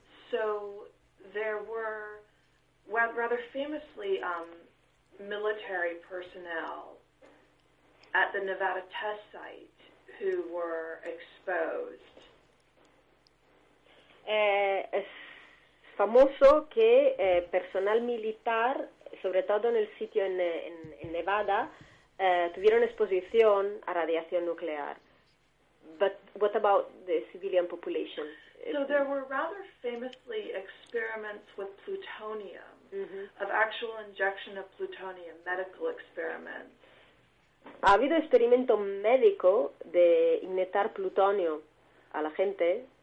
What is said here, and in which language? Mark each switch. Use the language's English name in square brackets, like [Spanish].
[English] So there were, well, rather famously, military personnel at the Nevada test site who were exposed. [Spanish] Es famoso que personal militar, sobre todo en el sitio en Nevada, tuvieron exposición a radiación nuclear. [English] But what about the civilian population? So there were rather famously experiments with plutonium, mm-hmm. of actual injection of plutonium, medical experiments. [Spanish] Ha habido experimento médico de inyectar plutonio a la gente.